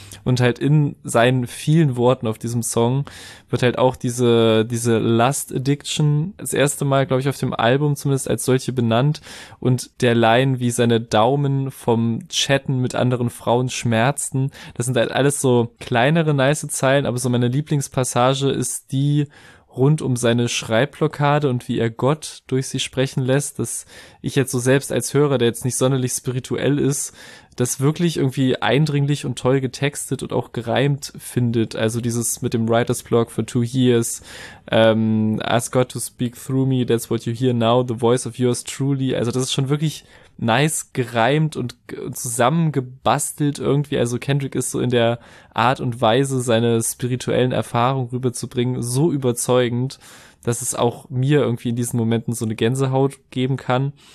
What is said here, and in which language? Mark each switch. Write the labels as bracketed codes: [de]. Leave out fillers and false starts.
[de] und halt in seinen vielen Worten auf diesem Song wird halt auch diese Lust-Addiction das erste Mal, glaube ich, auf dem Album zumindest als solche benannt, und der Line, wie seine Daumen vom Chatten mit anderen Frauen schmerzten, das sind halt alles so kleinere, nice Zeilen, aber so meine Lieblingspassage ist die rund um seine Schreibblockade und wie er Gott durch sie sprechen lässt, dass ich jetzt so selbst als Hörer, der jetzt nicht sonderlich spirituell ist, das wirklich irgendwie eindringlich und toll getextet und auch gereimt findet. Also dieses mit dem [en] Writer's Block for 2 years, ask God to speak through me, that's what you hear now, the voice of yours truly. [de] Also das ist schon wirklich nice gereimt und zusammengebastelt irgendwie. Also Kendrick ist so in der Art und Weise, seine spirituellen Erfahrungen rüberzubringen, so überzeugend, dass es auch mir irgendwie in diesen Momenten so eine Gänsehaut geben kann.